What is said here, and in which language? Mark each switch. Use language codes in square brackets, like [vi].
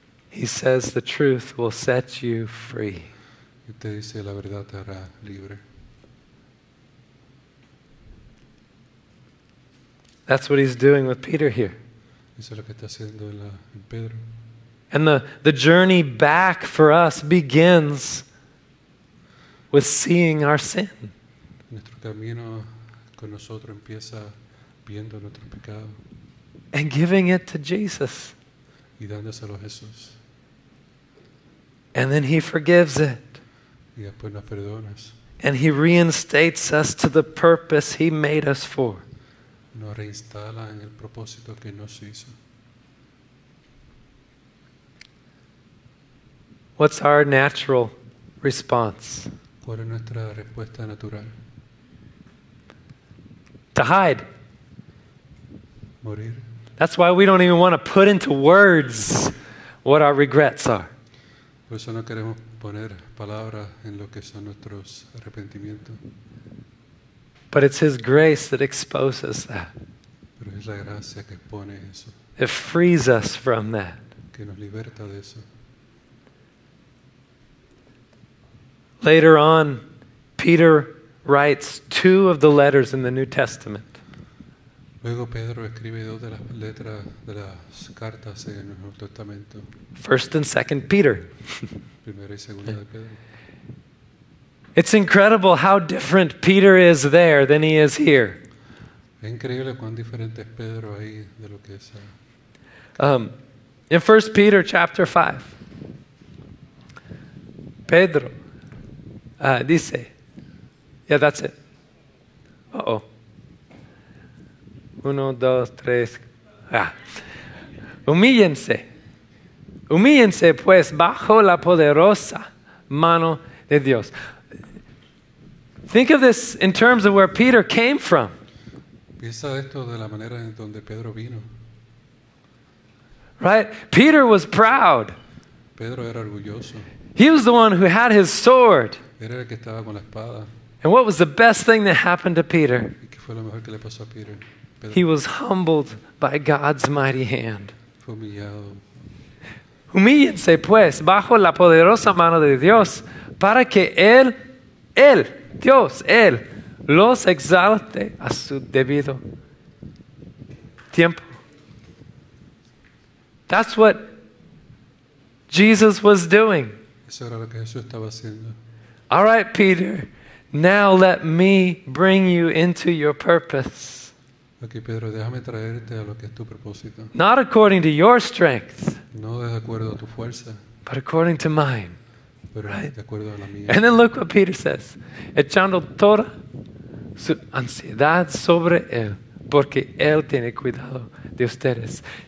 [en] He says, the truth will set you free. [es] Y te dice, la verdad te hará libre. [en] That's what he's doing with Peter here. [es] Eso es lo que está haciendo en Pedro. [en] And the journey back for us begins with seeing our sin. [es] Nuestro camino con nosotros empieza viendo nuestro pecado. [en] And giving it to Jesus. [es] Y dándoselo a Jesús. [en] And then he forgives it. [es] Y después nos perdonas. [en] And he reinstates us to the purpose he made us for. [es] Nos reinstala en el propósito que nos hizo. [en] What's our natural response? [es] ¿Cuál es nuestra respuesta natural? [en] To hide. [es] Morir. [en] That's why we don't even want to put into words what our regrets are. [es] Por eso no queremos poner palabras en lo que son nuestros arrepentimientos. [en] But it's his grace that exposes that. [es] Pero es la gracia que expone eso. [en] It frees us from that. [es] Que nos liberta de eso. [en] Later on, Peter writes two of the letters in the New Testament. [es] Luego Pedro escribe dos de las letras de las cartas en el Nuevo Testamento. [en] First and Second Peter. [es] Primera y segunda de Pedro. [en] It's incredible how different Peter is there than he is here. [es] Es increíble cuán diferente es Pedro ahí de lo que es. [en] In First Peter chapter 5, [es] Pedro dice, [en] yeah, that's it. [es] Uh-oh. Uno, dos, tres. Ah. Humíllense. Humíllense, pues, bajo la poderosa mano de Dios. [en] Think of this in terms of where Peter came from. [es] Piensa esto de la manera en donde Pedro vino. [en] Right? Peter was proud. [es] Pedro era orgulloso. [en] He was the one who had his sword. [es] Era el que estaba con la espada. [en] And what was the best thing that happened to Peter? [es] ¿Y qué fue lo mejor que le pasó a Peter? [en] He was humbled by God's mighty hand. [es] Humillado. Humíllense pues bajo la poderosa mano de Dios para que Él, Dios, los exalte a su debido tiempo. [en] That's what Jesus was doing. [es] Eso era lo que Jesús estaba haciendo. [en] All right, Peter, now let me bring you into your purpose. [es] Okay, Pedro, déjame traerte a lo que es tu propósito. [en] Not according to your strength. [es] No de acuerdo a tu fuerza. [en] But according to mine. [es] Pero [en] right? [es] De acuerdo a la mía. [en] And then look what Peter says. [es] Echando toda su ansiedad sobre él, porque él tiene cuidado de ustedes.